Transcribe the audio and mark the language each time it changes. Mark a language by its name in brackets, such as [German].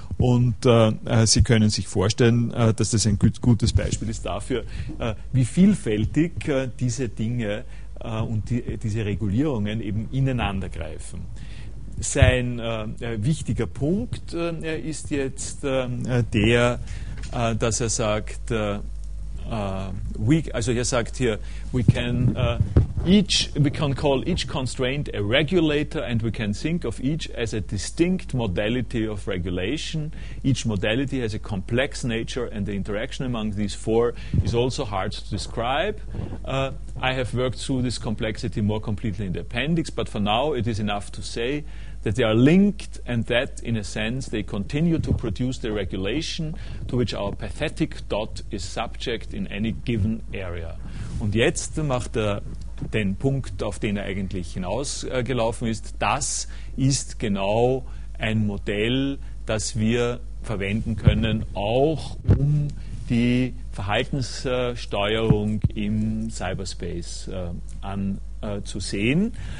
[German] Und Sie können sich vorstellen, dass das ein gutes Beispiel ist dafür, wie vielfältig diese Dinge und diese Regulierungen eben ineinander greifen. Sein wichtiger Punkt ist jetzt der, dass er sagt, [English] we can Each we can call each constraint a regulator, and we can think of each as a distinct modality of regulation. Each modality has a complex nature, and the interaction among these four is also hard to describe. I have worked through this complexity more completely in the appendix, but for now it is enough to say that they are linked, and that, in a sense, they continue to produce the regulation to which our pathetic dot is subject in any given area. [German] Und jetzt macht er den Punkt, auf den er eigentlich hinausgelaufen ist. Das ist genau ein Modell, das wir verwenden können, auch um die Verhaltenssteuerung im Cyberspace anzusehen.